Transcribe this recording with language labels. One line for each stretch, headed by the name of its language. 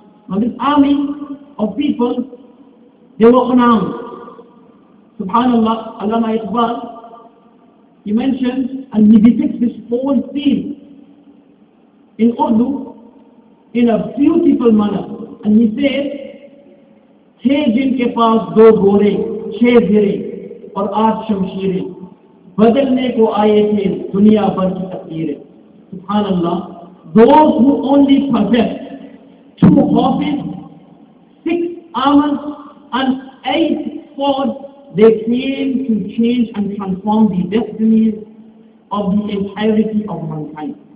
English: Now this army of people, they were unarmed. Subhanallah, Allama Iqbal, he mentions and he depicts this whole scene in Urdu in a beautiful manner. And he said,
Urdu: تھے جن کے پاس دو گھوڑے چھ زرے اور آٹھ شمشیریں بدلنے کو آئے تھے دنیا بھر کی تقدیریں.
Arabic: سبحان اللہ.
English: Those who only possessed two horses, six armors, and eight swords, they came to change and transform the destinies of the entirety of mankind.